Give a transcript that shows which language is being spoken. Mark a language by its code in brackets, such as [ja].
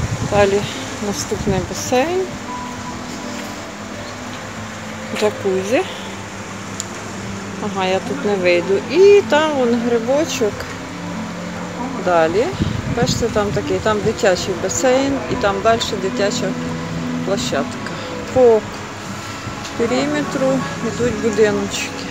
[uk] Далі наступний басейн. Джакузі. Ага, я тут не вийду. І там вон грибочок. Далі [ru] Кажется, там такие, там дитячий бассейн, и там дальше дитяча площадка. [uk] По периметру ідуть будиночки.